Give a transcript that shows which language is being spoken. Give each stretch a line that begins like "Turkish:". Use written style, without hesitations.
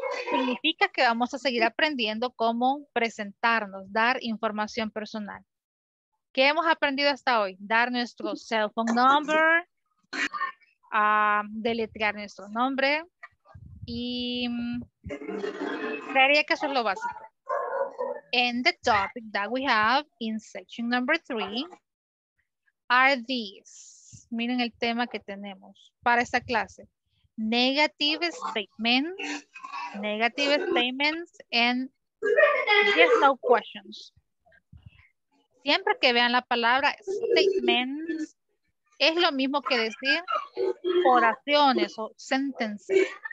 Spanish: Significa que vamos a seguir aprendiendo cómo presentarnos, dar información personal. ¿Qué hemos aprendido hasta hoy? Dar nuestro
English: cell phone number,
Spanish: deletrear nuestro nombre y creería que eso es lo básico.
English: And the topic that we have in section number 3 are these.
Spanish: Miren el tema que tenemos para esta clase.
English: Negative statements and yes no questions.
Spanish: Siempre que vean la palabra statements, es lo mismo que decir oraciones o sentences.